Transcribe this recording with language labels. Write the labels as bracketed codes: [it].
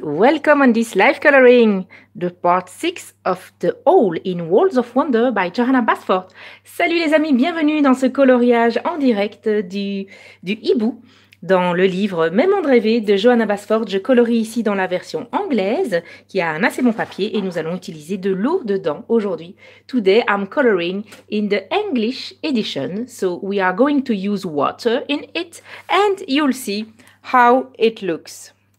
[en] Welcome on this live coloring, the part 6 of The Hole in Walls of Wonder by Johanna Basford. [fr] Salut les amis, bienvenue dans ce coloriage en direct du hibou dans le livre « Même en rêvé » de Johanna Basford. Je colorie ici dans la version anglaise qui a un assez bon papier et nous allons utiliser de l'eau dedans aujourd'hui. Today, I'm coloring in the English edition, so we are going to use water in it and you'll see how it looks.